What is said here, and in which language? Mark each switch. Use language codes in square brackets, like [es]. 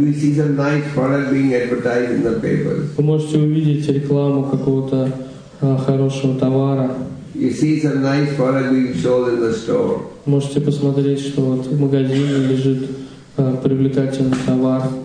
[en] You see some nice product being advertised in the papers. [ru] Вы можете увидеть рекламу какого-то хорошего товара. [en] You see some nice product being sold in the store. [ru] Можете посмотреть, что вот в магазине лежит привлекательный товар.